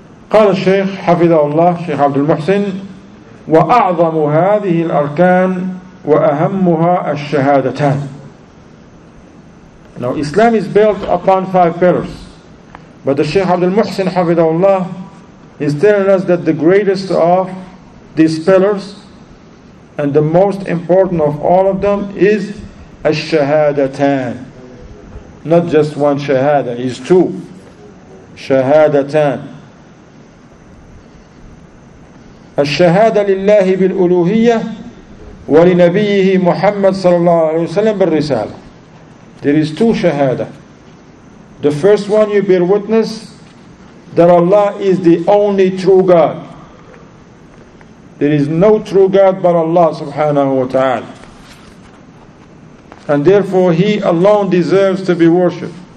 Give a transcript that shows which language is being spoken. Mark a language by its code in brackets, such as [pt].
[ar] قال الشيخ حفظه الله شيخ عبد المحسن وأعظم هذه الأركان وأهمها الشهادتان. [en] Now Islam is built upon five pillars, but the Shaykh Abdul Muhsin حفظه الله is telling us that the greatest of these pillars and the most important of all of them is الشهادتان. Not just one شهادة, it's two شهادتان. [ar] الشهادة لله بالألوهية ولنبيه محمد صلى الله عليه وسلم بالرسالة. [en] There is two شهادة. The first one, you bear witness that Allah is the only true God. There is no true God but Allah سبحانه وتعالى. And therefore He alone deserves to be worshipped.